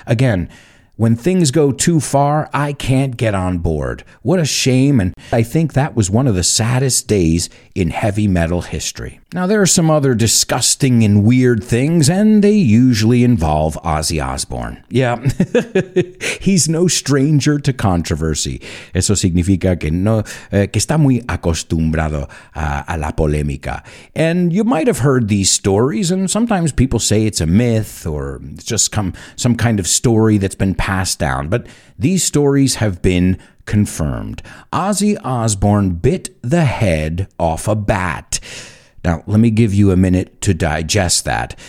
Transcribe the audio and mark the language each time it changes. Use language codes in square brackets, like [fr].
[en] Again, when things go too far, I can't get on board. What a shame, and I think that was one of the saddest days in heavy metal history. Now, there are some other disgusting and weird things, and they usually involve Ozzy Osbourne. Yeah, he's no stranger to controversy. [es] Eso significa que no, que está muy acostumbrado a la polémica. [en] And you might have heard these stories, and sometimes people say it's a myth or it's just some kind of story that's been passed down. But these stories have been confirmed. Ozzy Osbourne bit the head off a bat. Now, let me give you a minute to digest that.